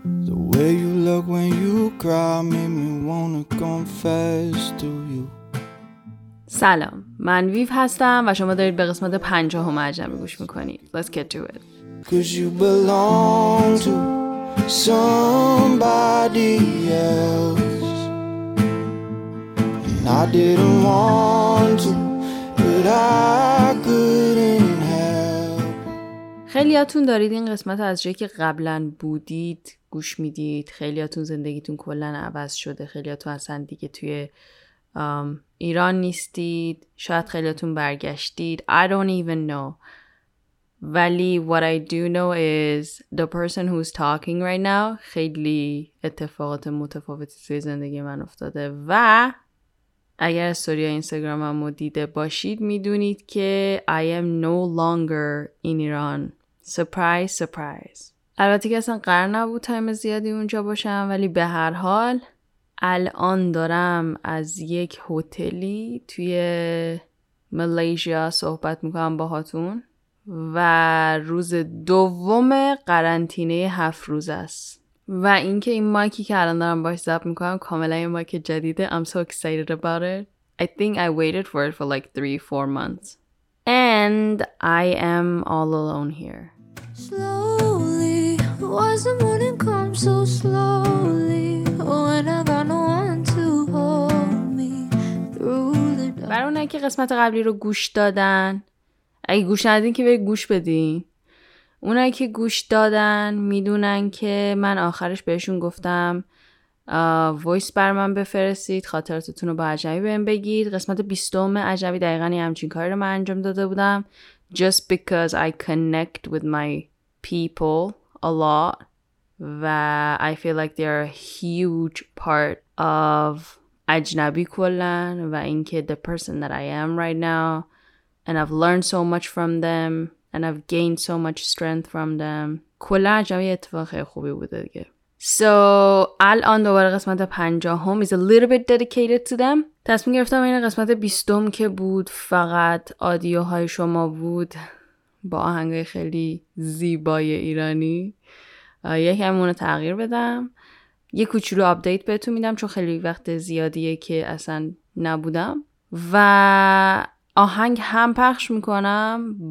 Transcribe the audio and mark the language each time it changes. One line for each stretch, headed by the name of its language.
English: The way you look when you cry made me wanna confess to you.
Persian: سلام، من ویف هستم و شما دارید به قسمت 50 مجمع گوش میکنید.
English: Let's get to it. 'Cause you belong to somebody else. And I didn't want to, but I couldn't help.
Persian: خیلیاتون دارید این قسمت از جایی که قبلا بودید گوش میدید. خیلیاتون زندگیتون کلا عوض شده. خیلیاتون اصلا دیگه توی ایران نیستید، شاید خیلیتون برگشتید.
English: I don't even know.
Persian: ولی
English: what I do know is the person who's talking right now
Persian: خیلی اتفاقات متفاوتی توی زندگی من افتاده و اگر استوری اینستاگرامم رو دیده باشید میدونید که
English: I am no longer in Iran. Surprise, surprise.
Persian: البته که اصلا قرار نبود تایم زیادی اونجا باشم، ولی به هر حال الان دارم از یک هتلی توی مالزی صحبت میکنم با هاتون و روز دوم قرنطینه 7 روز است و اینکه این مایکی که الان دارم باش ضبط میکنم کاملا یه مایک جدیده.
English: I'm so excited about it. I think I waited for it for like 3-4 months and I am all alone here. Slowly was the morning come so slowly when I got no one to hold me through the dark.
Persian: برای اونایی که قسمت قبلی رو گوش دادن، اگه گوش ندین که برید گوش بدین. اونایی که گوش دادن میدونن که من آخرش بهشون گفتم وایس بر من بفرستید، خاطراتتون رو با عجبی بهم بگید. قسمت 20 عجبی دقیقاً همین کاری رو من انجام داده بودم.
English: Just because I connect with my people a lot and I feel like they are a huge part of
Persian: اجنبی کلن و اینکه
English: the person that I am right now and I've learned so much from them and I've gained so much strength from them.
Persian: کلن اجنبی اتفاق خیلی خوبی بوده دیگه.
English: So
Persian: الان دوباره قسمت
English: 50 is a little bit dedicated to them.
Persian: تصمیم گرفتم این قسمت 20 که بود فقط آدیوهای شما بود با آهنگای خیلی زیبای ایرانی یکم اونو تغییر بدم، یه کوچولو آپدیت بهتون میدم چون خیلی وقت زیادیه که اصلا نبودم و آهنگ هم پخش میکنم.